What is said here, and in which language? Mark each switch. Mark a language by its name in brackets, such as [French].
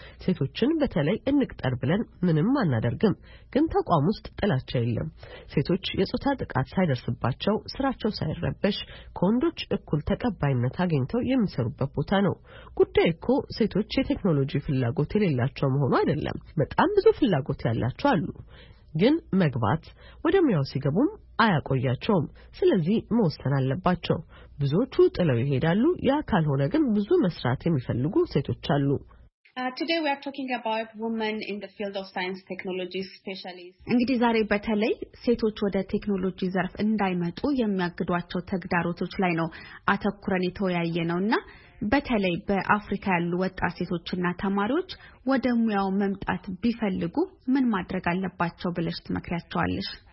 [Amharic] ሴቶችን በተለይ እንቅጠር ብለን ምንም አናደርግም ግን ተቋም ውስጥ ጥላቻ የለም። ሴቶች የጾታ ጥቃት ሳይደርስባቸው ስራቸው ሳይረበሽ ከወንዶች እኩል ተቀባይነት አግኝተው የሚሰሩበት ቦታ ነው። ጉዳይ እኮ ሴቶች የቴክኖሎጂ ፍላጎት የሌላቸው መሆኑ አይደለም። በጣም ብዙ ፍላጎት ያላቸው አሉ ግን መግባት ወደሚያው ሲገቡም አያቆያቸውም። ስለዚህ መወሰን አለባቸው። ብዙዎቹ ጥለው ይሄዳሉ፣ ያ ካልሆነ ግን ብዙ መስራት የሚፈልጉ ሴቶች አሉ። [English] Today we are talking about women in the field of science technology specialists. [Amharic] እንግዲህ ዛሬ በተለይ ሴቶች ወደ ቴክኖሎጂ ዘርፍ እንዳይመጡ የሚያግዷቸው ተግዳሮቶች ላይ ነው አተኩረን የተወያየነውና በተለይ በአፍሪካ ያሉ ወጣት ሴቶችና ተማሪዎች ወደ ሙያው መምጣት ቢፈልጉ ምን ማድረግ አለባቸው ብለሽ ትመክሪያቸዋለሽ?